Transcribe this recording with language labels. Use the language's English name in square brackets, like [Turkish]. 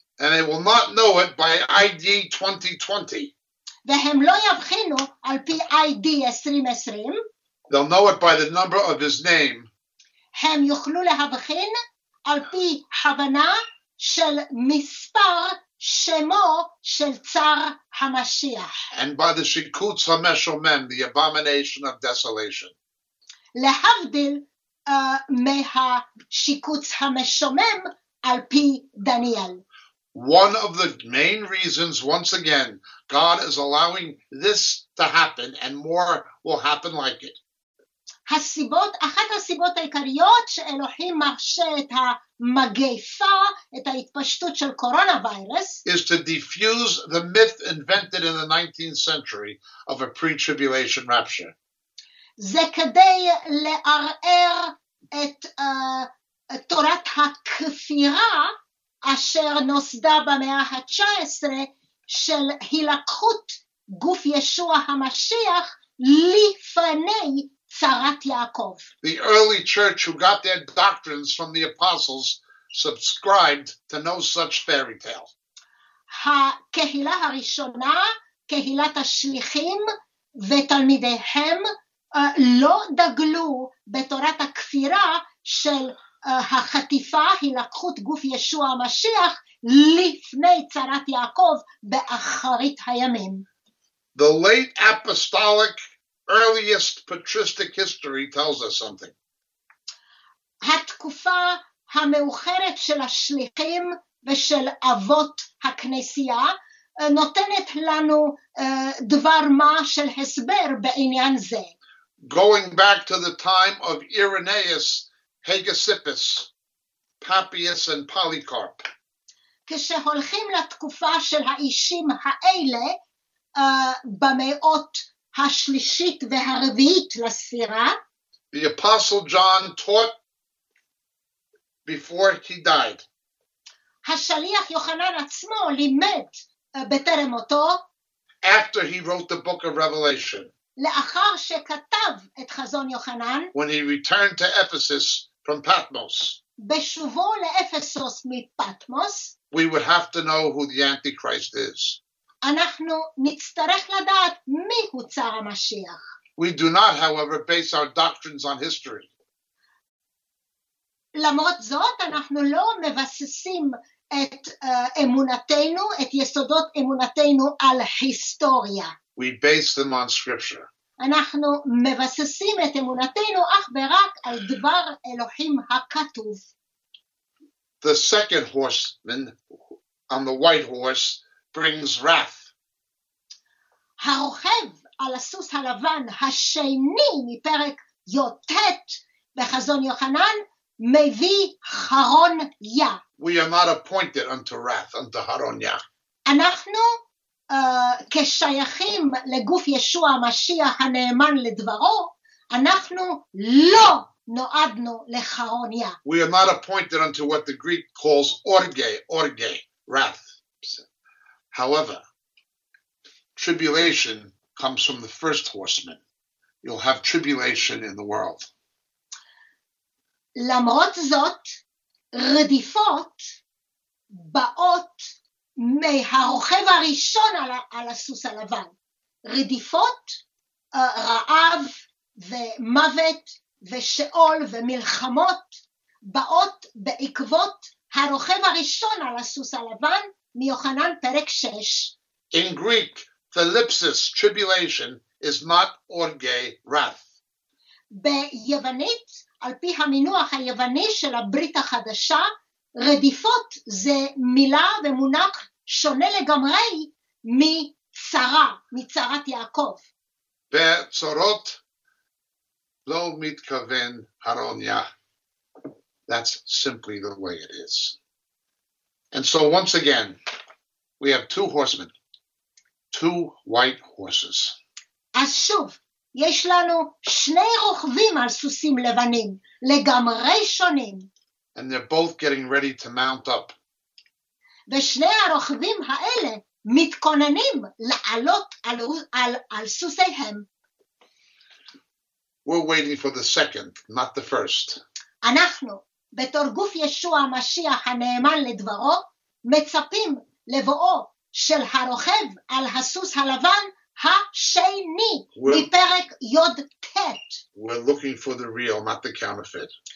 [English] And they will not know it by ID 2020. [Hebrew] והם לא יבחינו על פי ID 2020. [English] They'll know it by the number of his name. [Hebrew] הם יוכלו להבחין על פי הבנה של מספר שמו של צר המשיח. [English] And by the Shikuts HaMeshomem, the abomination of desolation. [Hebrew] להבדיל מהשיקוץ המשומם על פי דניאל. [English] One of the main reasons, once again, God is allowing this to happen, and more will happen like it. [Hebrew] הסיבות, אחת הסיבות העיקריות שאלוהים מרשה את המגפה, את ההתפשטות של קורונה וירוס, [English] is to diffuse the myth invented in the 19th century of a pre-tribulation rapture. [Hebrew] זה כדי לערער את תורת הכפירה אשר נוסדה במאה ה-19 של הילקחות גוף ישוע המשיח לפני צרת יעקב. [English] The early church who got their doctrines from the apostles subscribed to no such fairy tale. [Hebrew] הקהילה הראשונה, קהילת השליחים ותלמידיהם, לא דגלו בתורת הכפירה של החטיפה, הילקחות גוף ישוע המשיח, לפני צרת יעקב, באחרית הימים. [English] The late apostolic earliest patristic history tells us something. [Hebrew] התקופה המאוחרת של השליחים ושל אבות הכנסייה נותנת לנו דבר מה של הסבר בעניין זה. [English] Going back to the time of Irenaeus, Hegesippus, Papias and Polycarp. [Hebrew] כשהולכים לתקופה של האישים האלה במאות השלישית והרביעית לספירה, [English] the apostle John taught before he died. [Hebrew] השליח יוחנן עצמו לימד בטרם מותו, [English] after he wrote the book of Revelation. [Hebrew] לאחר שכתב את חזון יוחנן, [English] when he returned to Ephesus from Patmos. [Hebrew] בשובו לאפסוס מפטמוס, [English] we would have to know who the Antichrist is. [Hebrew] אנחנו נצטרך לדעת מי הוא צר המשיח. [English] We do not, however, base our doctrines on history. [Hebrew] למרות זאת, אנחנו לא מבססים את אמונתנו, את יסודות אמונתנו על היסטוריה. [English] We base them on scripture. [Hebrew] אנחנו מבססים את אמונתנו אך ורק על דבר אלוהים הכתוב. [English] The second horseman on the white horse brings wrath. [Hebrew] הרוכב על הסוס הלבן השני מפרק יוטט בחזון יוחנן מביא חרון יה. [English] We are not appointed unto wrath, unto חרון יה. [Hebrew] אנחנו כשייכים לגוף ישוע המשיח הנאמן לדברו, אנחנו לא נועדנו לחרון יה. [English] We are not appointed unto what the Greek calls orge, orge, wrath. However, tribulation comes from the first horseman. You'll have tribulation in the world. [Hebrew] למרות זאת, רדיפות באות מהרוכב הראשון על הסוס הלבן. רדיפות, רעב ומוות ושאול ומלחמות באות בעקבות הרוכב הראשון על הסוס הלבן מיוחנן פרק 6. [English] In Greek, thlipsis, tribulation, is not orge, wrath. [Hebrew] ביוונית, על פי המינוח היווני של הברית החדשה, רדיפות זה מילה ומונח שונה לגמרי מצרה, מצרת יעקב. בצורות לא מתכוון הרוניה. [English] That's simply the way it is. And so once again, we have two horsemen, two white horses. [Hebrew] אז שוב, יש לנו שני רוכבים על סוסים לבנים, לגמרי שונים. [English] And they're both getting ready to mount up. [Hebrew] ושני הרוכבים האלה מתכוננים לעלות על סוסיהם. [English] We're waiting for the second, not the first. [Hebrew] אנחנו, בתור גוף ישוע המשיח הנאמן לדברו, מצפים לבואו של הרוכב על הסוס הלבן השני מפרק יוטט. [English] We're looking for the real, not the counterfeit.